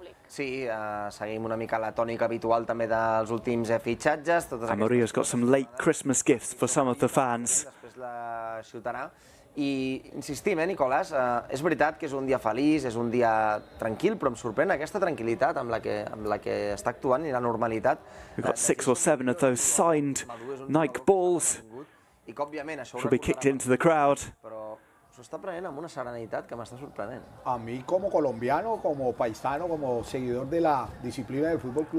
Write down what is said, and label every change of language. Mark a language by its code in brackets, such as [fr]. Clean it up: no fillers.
[ca] Sí, seguim una mica la tònica habitual també dels últims fitxatges. [en] Murillo's got some late Christmas gifts for some of the fans. [ca] Després la xutarà. I insistim, Nicolás, és veritat que és un dia feliç, és un dia tranquil, però em sorprèn aquesta tranquil·litat amb la que està actuant i la normalitat. [en] We've got 6 or 7 of those signed Nike balls. [ca] I òbviament això [en] will be kicked into the crowd. [ca] Però s'ho està prenent amb una serenitat que m'està sorprenent. [es] A mi, como colombiano, como paisano, como seguidor de la disciplina del Fútbol Club.